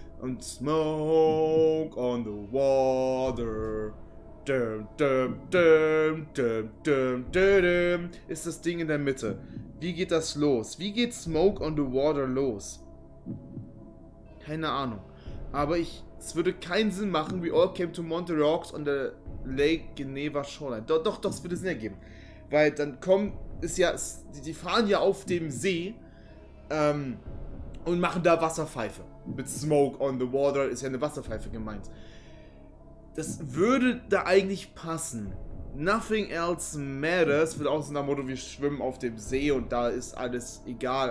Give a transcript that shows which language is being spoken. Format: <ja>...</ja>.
<de>Und Smoke on the Water. Ist das Ding in der Mitte. Wie geht das los? Wie geht Smoke on the Water los? Keine Ahnung. Aber es würde keinen Sinn machen.</de> <en>We all came to Montreux on the Lake Geneva Shoreline.</en> <de>Doch, es würde Sinn ergeben. Weil dann kommen, ist ja, die fahren ja auf dem See und machen da Wasserpfeife. Mit Smoke on the Water ist ja eine Wasserpfeife gemeint. Das würde da eigentlich passen. Nothing else matters wird auch so nach dem Motto, wir schwimmen auf dem See und da ist alles egal.</de>